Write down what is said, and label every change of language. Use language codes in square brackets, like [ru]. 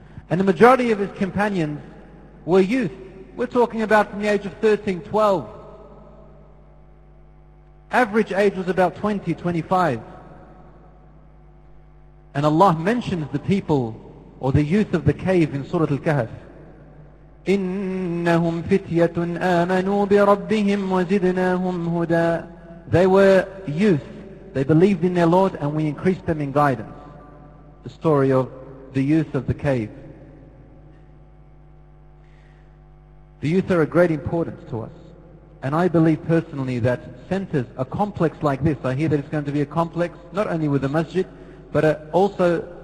[en] And the majority of his companions were youth. We're talking about from the age of 13, 12. Average age was about 20, 25. And Allah mentions the people or the youth of the cave in Surah Al-Kahf. [ar] إِنَّهُمْ فِتْيَةٌ آمَنُوا بِرَبِّهِمْ وَزِدْنَاهُمْ هُدًى [en] They were youth. They believed in their Lord and we increased them in guidance. The story of the youth of the cave. The youth are of great importance to us. And I believe personally that centers, a complex like this, I hear that it's going to be a complex, not only with the masjid, but also